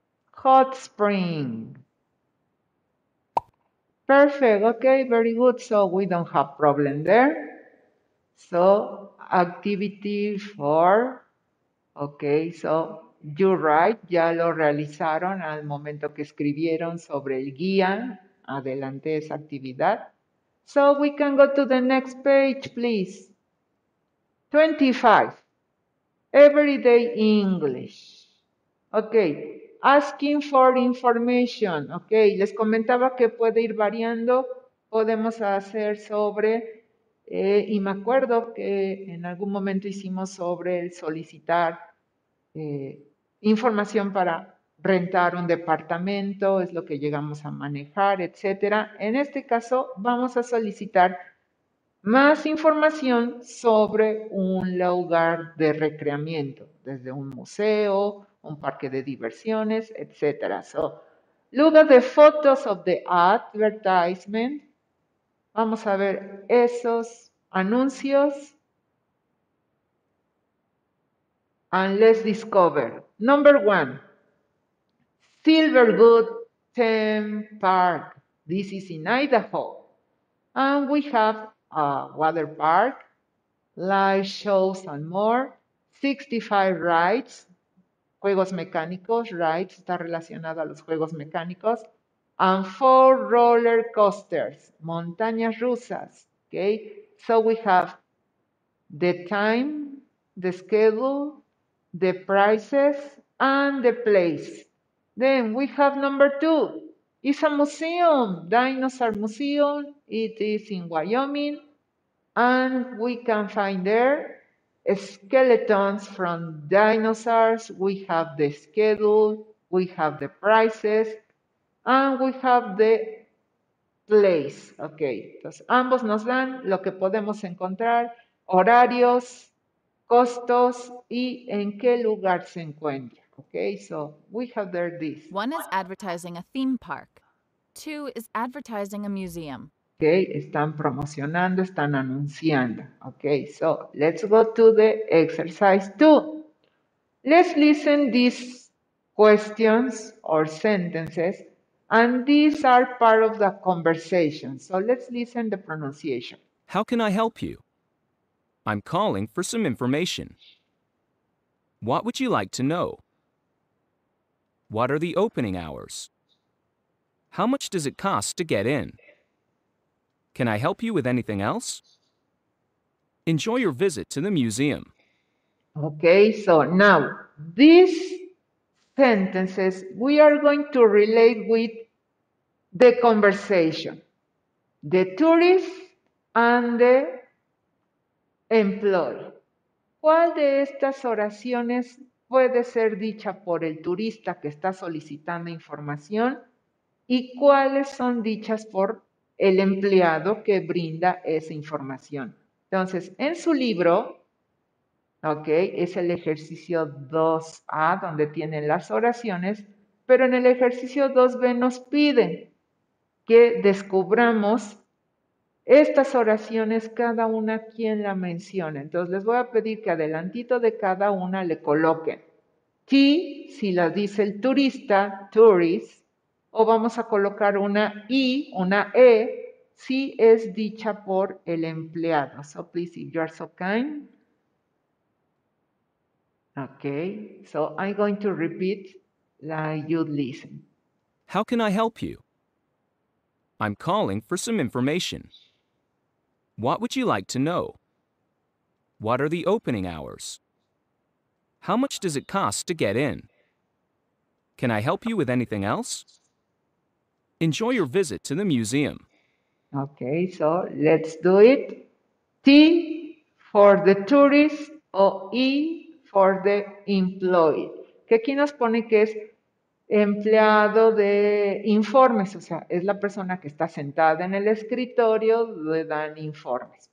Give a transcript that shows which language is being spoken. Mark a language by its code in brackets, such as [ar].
[en] Hot spring. Perfect. Okay, very good. So we don't have problem there. So activity 4. Okay, so you're right, [es] ya lo realizaron al momento que escribieron sobre el guía. Adelante esa actividad. [en] So we can go to the next page, please. 25. Everyday English. Okay, asking for information. [es] Okay, les comentaba que puede ir variando. Podemos hacer sobre... y me acuerdo que en algún momento hicimos sobre el solicitar información para rentar un departamento, es lo que llegamos a manejar, etcétera. En este caso, vamos a solicitar más información sobre un lugar de recreamiento, desde un museo, un parque de diversiones, etcétera. [en] So, look at the photos of the advertisement. [es] Vamos a ver esos anuncios. [en] And let's discover. Number one, Silverwood Theme Park. This is in Idaho. And we have a water park, live shows and more, 65 rides, [es] juegos mecánicos, [en] rides, [es] está relacionado a los juegos mecánicos. [en] And 4 roller coasters, [es] montañas rusas, [en] okay? So we have the time, the schedule, the prices, and the place. Then we have number 2. It's a museum, Dinosaur Museum. It is in Wyoming. And we can find there skeletons from dinosaurs. We have the schedule, we have the prices. And we have the place. Okay. [es] Entonces, ambos nos dan lo que podemos encontrar, horarios, costos, y en qué lugar se encuentra. [en] Okay, so we have there this. One is advertising a theme park. 2 is advertising a museum. [es] Okay, están promocionando, están anunciando. [en] Okay, so let's go to the exercise 2. Let's listen these questions or sentences. And these are part of the conversation. So let's listen to the pronunciation. How can I help you? I'm calling for some information. What would you like to know? What are the opening hours? How much does it cost to get in? Can I help you with anything else? Enjoy your visit to the museum. Okay, so now these sentences we are going to relate with the conversation, the tourist and the employee. [es] ¿Cuál de estas oraciones puede ser dicha por el turista que está solicitando información? ¿Y cuáles son dichas por el empleado que brinda esa información. Entonces, en su libro, ok, es el ejercicio 2A donde tienen las oraciones, pero en el ejercicio 2B nos piden que descubramos estas oraciones, cada una quien la menciona. Entonces, les voy a pedir que adelantito de cada una le coloquen T, si la dice el turista, tourist, o vamos a colocar una I, una E, si es dicha por el empleado. [en] So, please, if you are so kind. Okay, so I'm going to repeat like you listen. How can I help you? I'm calling for some information. What would you like to know? What are the opening hours? How much does it cost to get in? Can I help you with anything else? Enjoy your visit to the museum. Okay, so let's do it. T for the tourist o E for the employee. [es] Que aquí nos pone que es empleado de informes, o sea, es la persona que está sentada en el escritorio, le dan informes.